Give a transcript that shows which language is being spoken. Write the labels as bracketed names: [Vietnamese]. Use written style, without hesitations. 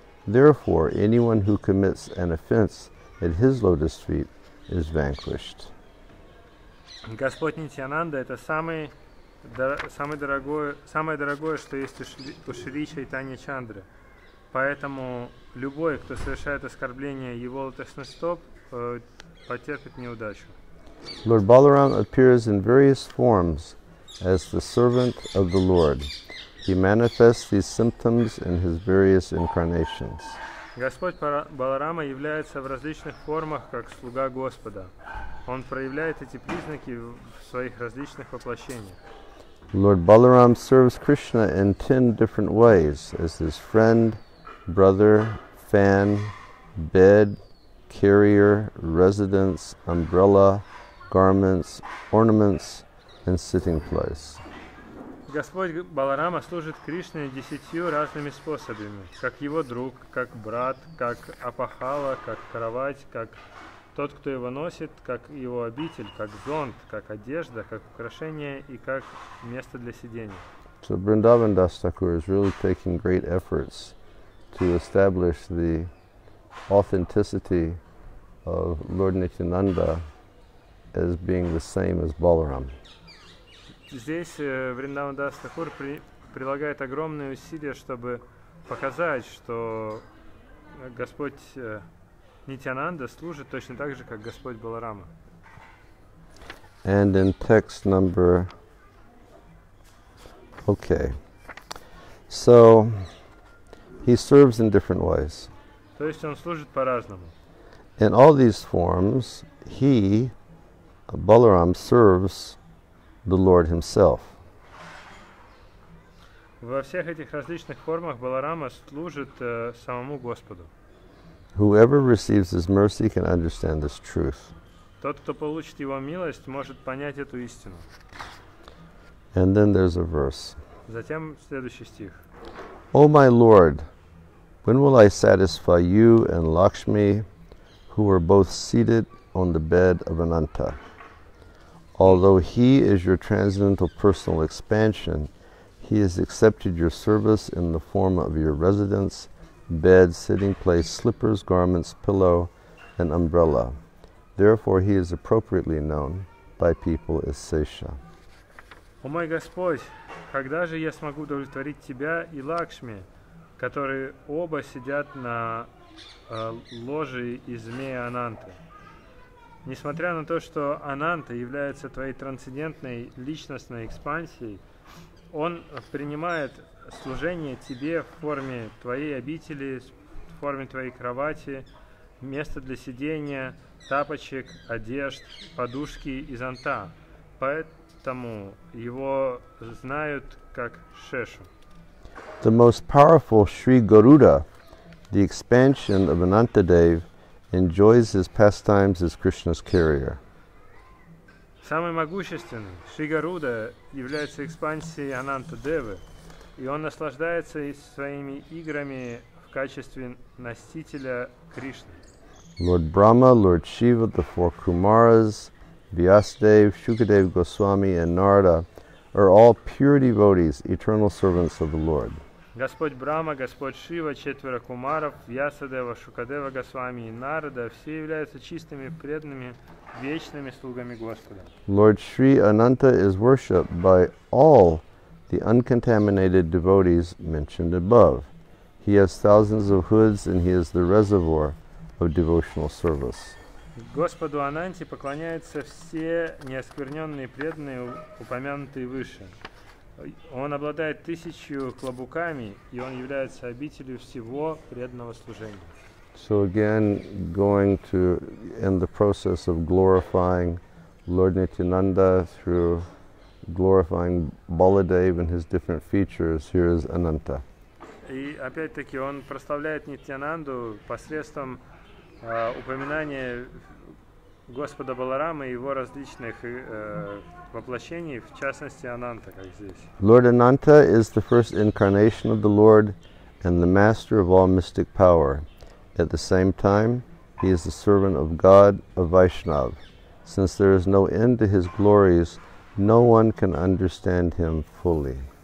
[English] Therefore, anyone who commits an offense at his lotus feet is vanquished. [Russian] Господь Нитьянанда – это самое дорогое, что есть у Шри Чайтанья Чандры. Поэтому любой, кто совершает оскорбление его лотосных стоп, потерпит неудачу. [English] Lord Balaram appears in various forms as the servant of the Lord. He manifests these symptoms in his various incarnations. [Russian] Господь Баларама является в различных формах как слуга Господа. Он проявляет эти признаки в своих различных воплощениях. [English] Lord Balaram serves Krishna in 10 different ways as his friend, brother, fan, bed, carrier, residence, umbrella, garments, ornaments, and sitting place. [Russian] Господь Баларама служит Кришне 10 разными способами, как его друг, как брат, как апахала, как кровать, как тот, кто его носит, как его обитель, как зонт, как одежда, как украшение и как место для сидения. [English] So Vrindavan Das Thakur is really taking great efforts to establish the authenticity of Lord Nityananda as being the same as Balaram. [Russian] Здесь Вриндаван Дас Такур прилагает огромные усилия, чтобы показать, что Господь Нитянанда служит точно так же, как Господь Баларама. [English] And in text number... Okay. So, he serves in different ways. [Russian] То есть он служит по-разному. [English] In all these forms, he, Balaram, serves the Lord himself. [Russian] Во всех этих различных формах Баларама служит самому Господу. [English] Whoever receives his mercy can understand this truth. [Russian] Тот, кто получит его милость, может понять эту истину. [English] And then there's a verse. [Russian] Затем следующий стих. [English] O my Lord, when will I satisfy you and Lakshmi, who are both seated on the bed of Ananta? Although he is your transcendental personal expansion, he has accepted your service in the form of your residence, bed, sitting place, slippers, garments, pillow, and umbrella. Therefore, he is appropriately known by people as Sesha. [Russian] О мой Господь, когда же я смогу удовлетворить тебя и Лакшми, которые оба сидят на ложе из змея Ананты? Несмотря на то, что Ананта является твоей трансцендентной личностной экспансией, он принимает служение тебе в форме твоей обители, в форме твоей кровати, места для сидения, тапочек, одежд, подушки и зонта. Поэтому его знают как Шешу. [English] The most powerful Sri Garuda, the expansion of Anantadev, enjoys his pastimes as Krishna's carrier. [Russian] Самый могущественный Шри Гаруда является экспансией Ананта Девы, и он наслаждается своими играми в качестве носителя Кришны. [English] Lord Brahma, Lord Shiva, the four Kumaras, Vyasadev, Shukadev Goswami, and Narada are all pure devotees, eternal servants of the Lord. [Russian] Господь Брама, Господь Шива, четверо кумаров, Вьясадева, Шукадева, Госвами и Нарада все являются чистыми, преданными, вечными слугами Господа. [English] Lord Shri Ananta is worshipped by all the uncontaminated devotees mentioned above. He has thousands of hoods and he is the reservoir of devotional service. [Russian] Господу Ананте поклоняются все неоскверненные преданные, упомянутые выше. Он обладает тысячу клобуками, и он является обителью всего преданного служения. [English] So again, going to in the process of glorifying Lord Nityananda through glorifying Baladev and his different features, here is Ananta. [Russian] И опять-таки он прославляет Нитянанду посредством упоминания Господа Баларамы и его различных воплощений, в частности Ананта, как здесь. [English] Lord Ananta is the first incarnation of the Lord and the master of all mystic power. At the same time, he is the servant of God, of Vaishnav. Since there is no end to his glories, no one can understand him fully.